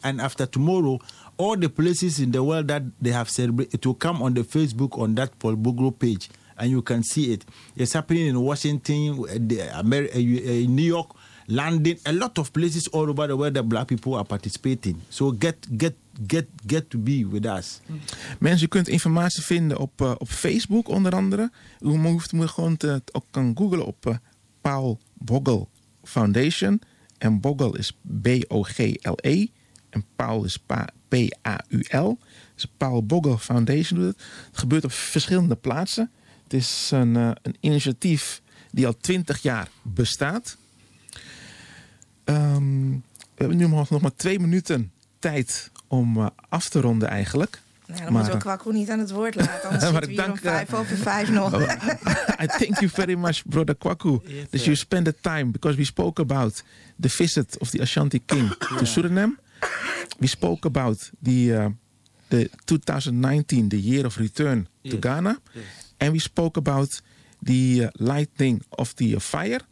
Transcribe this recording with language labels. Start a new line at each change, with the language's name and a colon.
English: And after tomorrow, all the places in the world that they have celebrated, it will come on the Facebook on that Paul Bogle page. And you can see it. It's happening in Washington, New York, London, a lot of places all over the world that black people are participating. So get to be with us.
Dutch: Mensen, je kunt informatie vinden op Facebook onder andere. U moet gewoon ook kan googlen op Paul Bogle Foundation. En Bogle is B-O-G-L-E. En Paul is P-A-U-L. Dus Paul Bogle Foundation doet het. Het gebeurt op verschillende plaatsen. Het is een initiatief die al 20 jaar bestaat. We hebben nu nog maar 2 minuten tijd om af te ronden eigenlijk. Nee, dan moeten we Kwaku niet aan het woord laten, anders zitten we hier om 5 over 5 nog.
English: I thank you very much, Brother Kwaku, that you spend the time, because we spoke about the visit of the Ashanti King to Suriname. We spoke about the 2019, the year of return to Ghana. Yes. And we spoke about the lighting of the fire.